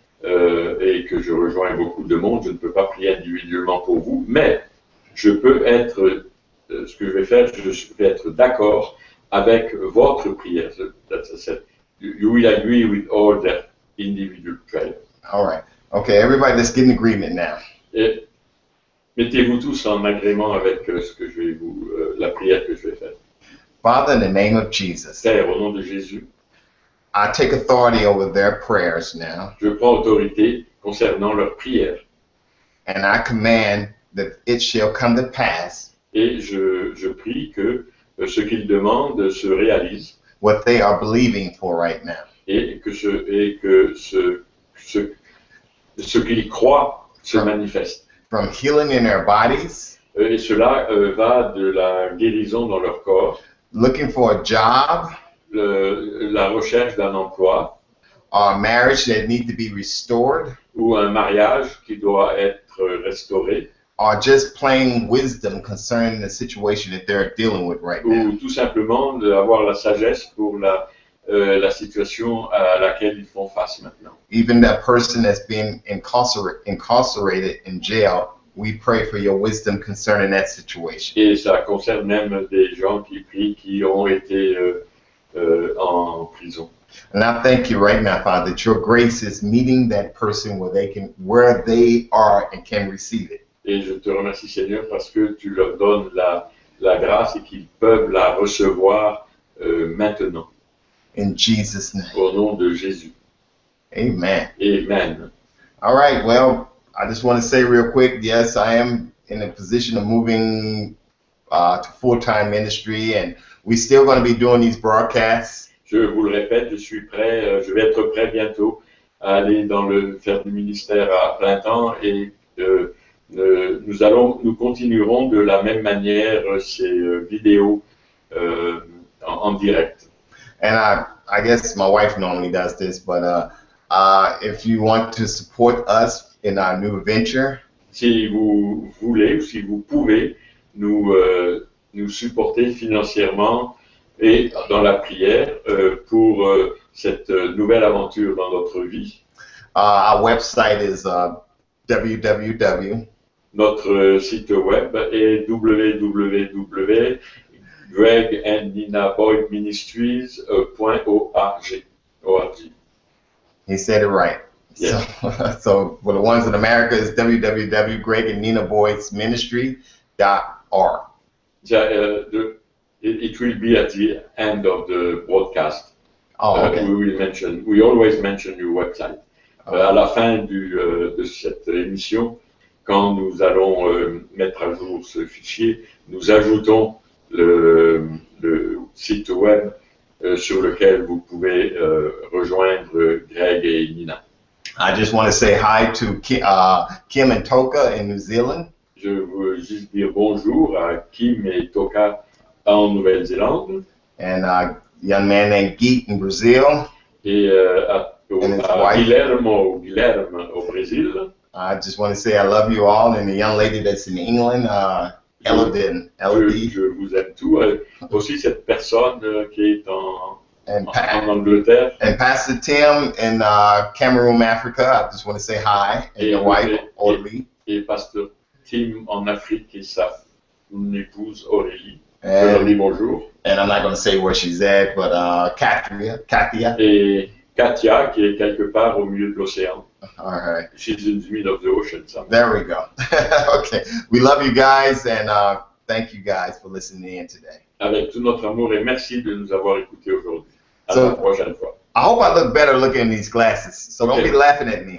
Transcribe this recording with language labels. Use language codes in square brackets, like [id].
[fr] et que je rejoins beaucoup de monde, je ne peux pas prier individuellement pour vous, mais je peux être, ce que je vais faire, je vais être d'accord avec votre prière. [en] You will agree with all that individual prayer. All right. Okay, everybody, let's get an agreement now. [fr] Et mettez-vous tous en agrément avec ce que je vais vous, la prière que je vais faire. [en] Father, in the name of Jesus. [fr] Père, au nom de Jésus. [en] I take authority over their prayers now. [fr] Je prends autorité concernant leurs prières. [en] And I command that it shall come to pass. [fr] Et je prie que ce qu'ils demandent se réalise. [en] What they are believing for right now. [fr] Et que ce qu'ils croient se manifeste. [en] From healing in their bodies. [fr] Et cela va de la guérison dans leur corps. [en] Looking for a job. [fr] La recherche d'un emploi. [en] Or a marriage that needs to be restored. [fr] Ou un mariage qui doit être restauré. [en] Or just plain wisdom concerning the situation that they're dealing with right now. [fr] Ou tout simplement d'avoir la sagesse pour la situation à laquelle ils font face maintenant. [en] Even that person that's been incarcerated in jail, we pray for your wisdom concerning that situation. [fr] Et ça concerne même des gens qui prient qui ont été en prison. [en] And I thank you right now, Father, that your grace is meeting that person where they can, where they are and can receive it. [fr] Et je te remercie, Seigneur, parce que tu leur donnes la grâce et qu'ils peuvent la recevoir maintenant. [en] In Jesus' name. [fr] Au nom de Jésus. [en] Amen. [fr] Amen. [en] All right, well, I just want to say real quick, yes, I am in a position of moving to full-time ministry, and we're still going to be doing these broadcasts. [fr] Je vous le répète, je suis prêt, je vais être prêt bientôt à aller dans le faire du ministère à plein temps et... Nous continuerons de la même manière ces vidéos en direct. [en] And I guess my wife normally does this, but if you want to support us in our new venture, [fr] si vous voulez, si vous pouvez, nous supporter financièrement et dans la prière pour cette nouvelle aventure dans notre vie. [en] Our website is www. [fr] Notre site web est www.gregandninaboydministries.org. [en] He said it right. Yes. So for the ones in America, it's www.gregandninaboydministries.org. Yeah, it will be at the end of the broadcast. Oh, okay. We always mention your website. Okay. [fr] À la fin de cette émission, quand nous allons mettre à jour ce fichier, nous ajoutons le site web sur lequel vous pouvez rejoindre Greg et Nina. [en] I just want to say hi to Kim and Toka in New Zealand. [fr] Je veux juste dire bonjour à Kim et Toka en Nouvelle-Zélande. [en] And a young man named Geet in Brazil. [fr] Et à Guilherme au Brésil. [en] I just want to say I love you all, and the young lady that's in England, Elodin, Elodie. [fr] Je vous aime tout. Aussi cette personne qui est en Angleterre. [en] And Pastor Tim in Cameroon, Africa. I just want to say hi. And your wife, Aurélie. [fr] Et Pastor Tim en Afrique et sa épouse, Aurélie. Aurélie, bonjour. [en] And I'm not going to say where she's at, but Katia. [fr] Katia, qui est quelque part au milieu de l'océan. [en] All right. She's in the middle of the ocean. There we go. Okay. We love you guys, and thank you guys for listening in today. Avec tout notre amour, et merci de nous avoir écoutés aujourd'hui. [fr] À la prochaine fois. [en] I hope I look better looking in these glasses, so okay. Don't be laughing at me.